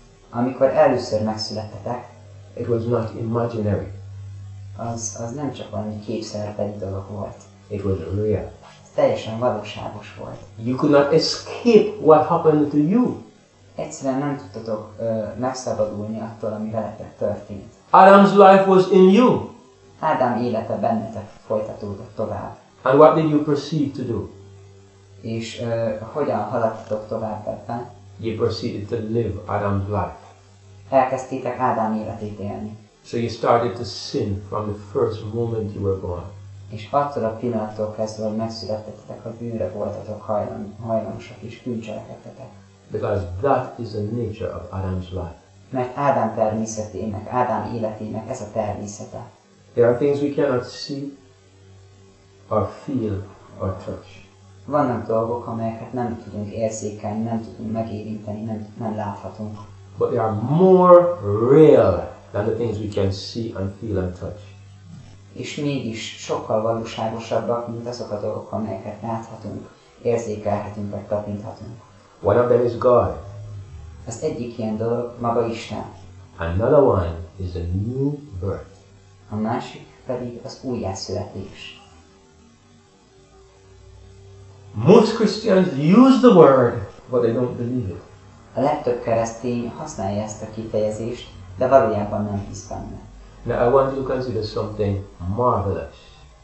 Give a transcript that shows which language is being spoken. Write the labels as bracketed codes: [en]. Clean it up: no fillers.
[hu] Amikor először megszülettetek. [en] It was not imaginary. [hu] Az nem csak valami képzeletbeli dolog volt. [en] It was real. [hu] Teljesen valóságos volt. [en] You could not escape what happened to you. [hu] Egyszerűen nem tudtatok megszabadulni attól, ami veletek történt. [en] Adam's life was in you. [hu] Ádám élete bennetek folytatódott tovább. [en] And what did you proceed to do? [hu] És hogyan haladtatok tovább ebben? [en] You proceeded to live Adam's life. [hu] Elkezdtétek Ádám életét élni. [en] So you started to sin from the first moment you were born. [hu] És attól a pillanattól kezdve, hogy megszülettetek, a bűnre voltatok hajlamosak és bűncselekedtetek. [en] Because that is the nature of Adam's life. [hu] Mert Ádám természetének, Ádám életének ez a természete. [en] There are things we cannot see, or feel, or touch. [hu] Vannak dolgok, amelyeket nem tudunk érzékelni, nem tudunk megérinteni, nem láthatunk. [en] But they are more real than the things we can see and feel and touch. [hu] És mégis sokkal valóságosabbak, mint azok a dolgok, amelyeket láthatunk, érzékelhetünk, vagy tapinthatunk. [en] One of them is God. [hu] Az egyik ilyen dolog maga Isten. [en] Another one is a new birth. [hu] A másik pedig az újjászületés. [en] Most Christians use the word, but they don't believe it. [hu] A legtöbb keresztény használja ezt a kifejezést, de valójában nem hisz benne. [en] Now I want you to consider something marvelous.